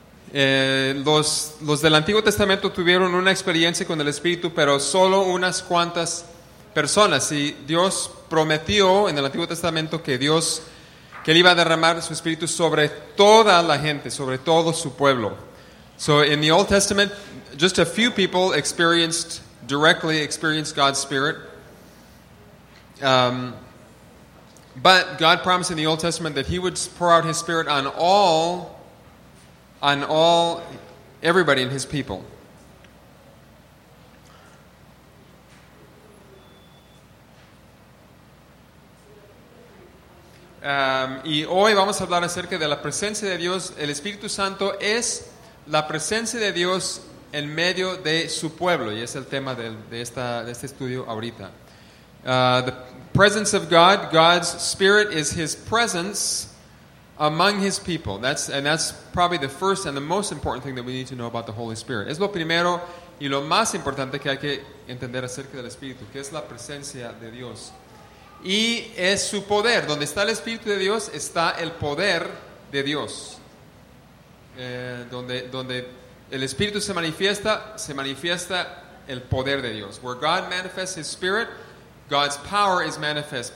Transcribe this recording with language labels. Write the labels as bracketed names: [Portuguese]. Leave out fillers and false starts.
[Spanish] Los del Antiguo Testamento tuvieron una experiencia con el Espíritu, pero solo unas cuantas personas. Y Dios prometió en el Antiguo Testamento que Él iba a derramar su Espíritu sobre toda la gente, sobre todo su pueblo. [English] So in the Old Testament, just a few people experienced God's Spirit. But God promised in the Old Testament that He would pour out His Spirit on everybody in His people. [Spanish] Y hoy vamos a hablar acerca de la presencia de Dios. El Espíritu Santo es la presencia de Dios en medio de su pueblo, y es el tema de este estudio ahorita. [English] The presence of God, God's Spirit is His presence among His people. That's probably the first and the most important thing that we need to know about the Holy Spirit. [Spanish] Es lo primero y lo más importante que hay que entender acerca del Espíritu, que es la presencia de Dios. Y es su poder. Donde está el Espíritu de Dios, está el poder de Dios. Donde el Espíritu se manifiesta el poder de Dios. [English] Where God manifests His Spirit, God's power is manifest.